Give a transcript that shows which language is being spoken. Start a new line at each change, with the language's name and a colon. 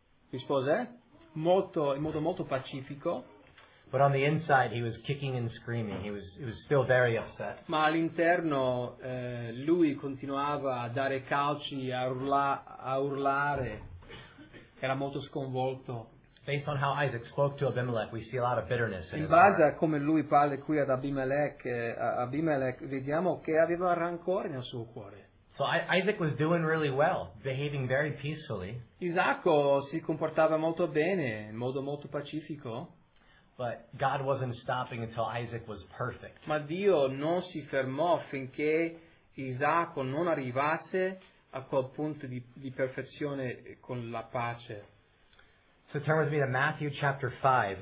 Italian: Rispose molto, in modo molto pacifico.
English: But on the inside he was kicking and screaming. He was still very upset.
Italian: Ma all'interno lui continuava a dare calci, a urlare. Era molto sconvolto.
English: Based on how Isaac spoke to Abimelech, we see a lot of bitterness in
Italian: him. In base a come lui parla qui ad Abimelech, Abimelech vediamo che aveva rancore nel suo cuore.
English: So Isaac was doing really well, behaving very peacefully.
Italian: Isacco si comportava molto bene, in modo molto pacifico.
English: But God wasn't stopping until Isaac was perfect.
Italian: Ma Dio non si fermò finché Isacco non arrivasse a quel punto di perfezione con la pace.
English: So turn with me to Matthew chapter 5,